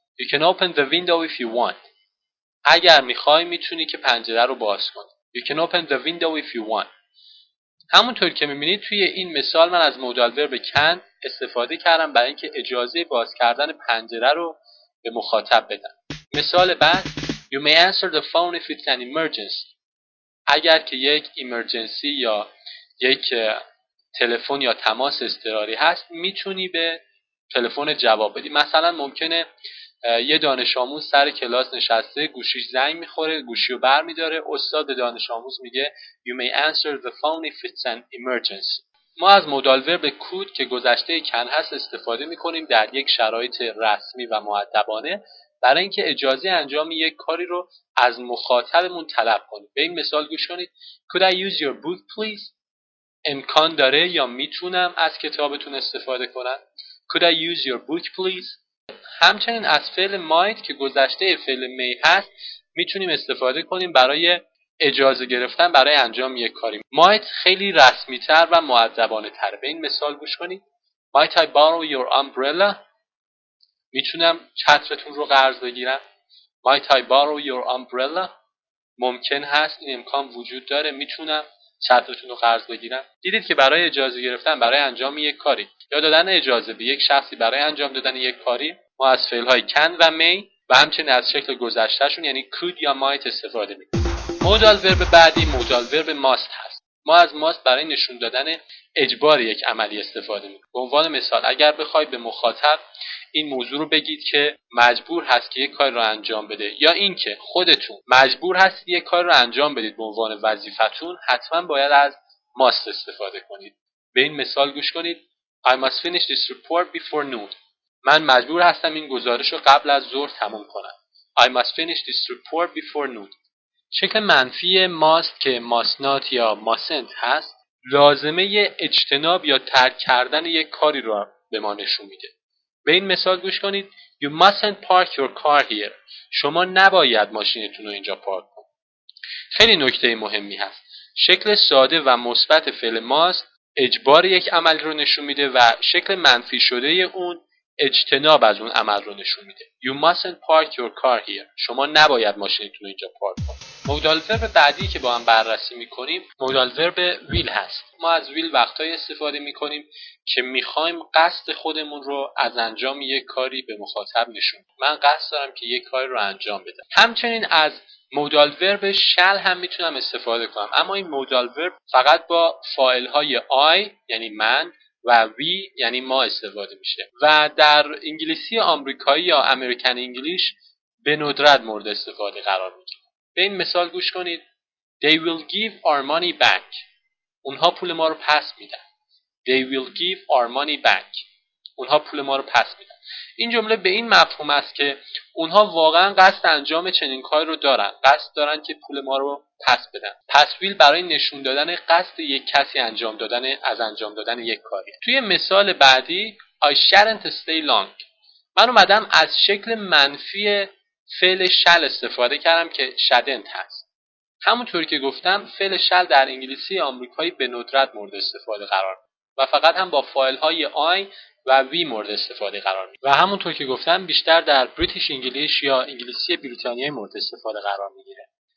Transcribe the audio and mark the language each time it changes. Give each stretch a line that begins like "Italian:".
English: You can open the window if you want.
Persian: اگر می‌خوای می‌تونی که پنجره رو باز کنی.
English: You can open the window if you want.
Persian: همونطور که می‌بینید توی این مثال من از مودال ورب کن استفاده کردم برای اینکه اجازه باز کردن پنجره رو به مخاطب بدم. مثال بعد،
English: You may answer the phone if it's an emergency.
Persian: اگر که یک ایمرجنسی یا یک تلفن یا تماس اضطراری هست میتونی به تلفن جواب بدی. مثلا ممکنه یه دانش آموز سر کلاس نشسته گوشیش زنگ میخوره، گوشی رو بر میداره، استاد دانش آموز میگه
English: You may answer the phone if it's an emergency.
Persian: ما از مودال ورب could که گذشته can هست استفاده میکنیم در یک شرایط رسمی و مؤدبانه برای اینکه اجازه انجام یک کاری رو از مخاطبمون طلب کنیم. به این مثال گوش کنید.
English: Could I use your book please?
Persian: امکان داره یا میتونم از کتابتون استفاده کنم؟
English: Could I use your book please?
Persian: همچنین از فعل might که گذشته فعل may هست میتونیم استفاده کنیم برای اجازه گرفتن برای انجام یک کاری. might خیلی رسمی تر و مؤدبانه تر. به این مثال گوش کنید.
English: Might I borrow your umbrella?
Persian: میتونم چترتون رو قرض بگیرم؟
English: Might I borrow your umbrella؟
Persian: ممکن هست، این امکان وجود داره، میتونم چترتون رو قرض بگیرم؟ دیدید که برای اجازه گرفتن برای انجام یک کاری یا دادن اجازه به یک شخصی برای انجام دادن یک کاری ما از فعل های can و may و همچنین از شکل گذشتهشون یعنی could یا might استفاده میکنیم. modal verb بعدی modal verb must هست. ما از must برای نشون دادن اجبار یک عملی استفاده میکنیم. به عنوان مثال اگر بخوای به مخاطب این موضوع رو بگید که مجبور هست که یک کار رو انجام بده یا اینکه خودتون مجبور هستید یک کار رو انجام بدید به عنوان وظیفتون، حتما باید از must استفاده کنید. به این مثال گوش کنید.
English: I must finish this report before noon.
Persian: من مجبور هستم این گزارش رو قبل از ظهر تمام کنم.
English: I must finish this report before noon.
Persian: شکل منفی must که must not یا mustn't هست لازمه اجتناب یا ترک کردن یک کاری رو به ما نشون میده. به این مثال گوش کنید.
English: You mustn't park your car here.
Persian: شما نباید ماشینتون رو اینجا پارک کنید. خیلی نکته مهمی هست. شکل ساده و مثبت فعل must اجبار یک عمل رو نشون میده و شکل منفی شده اون اجتناب از اون عمل رو نشون میده.
English: You mustn't park your car here.
Persian: شما نباید ماشینتون رو اینجا پارک کنید. مودال ورب بعدی که با هم بررسی میکنیم مودال ورب ویل هست. ما از ویل وقتهای استفاده میکنیم که میخوایم قصد خودمون رو از انجام یک کاری به مخاطب نشون. من قصد دارم که یک کاری رو انجام بدم. همچنین از مودال ورب شل هم میتونم استفاده کنم، اما این مودال ورب فقط با فاعل های آی یعنی من و وی یعنی ما استفاده میشه و در انگلیسی آمریکایی یا امریکن انگلیش به ندرت مورد استفاده قرار میگیره. به این مثال گوش کنید.
English: They will give our money back.
Persian: اونها پول ما رو پس میدن.
English: They will give our money back.
Persian: اونها پول ما رو پس میدن. این جمله به این مفهوم است که اونها واقعا قصد انجام چنین کاری رو دارن. قصد دارن که پول ما رو پس بدن. پس ویل برای نشون دادن قصد یک کسی انجام دادن از انجام دادن یک کاری. توی مثال بعدی
English: I shouldn't stay long.
Persian: من اومدم از شکل منفی فعل شل استفاده کردم که شدنت هست. همونطور که گفتم فعل شل در انگلیسی آمریکایی به ندرت مورد استفاده قرار میگیره و فقط هم با فایل های آی و وی مورد استفاده قرار میگیره و همونطور که گفتم بیشتر در بریتیش انگلیش یا انگلیسی بریتانیایی مورد استفاده قرار میگیره.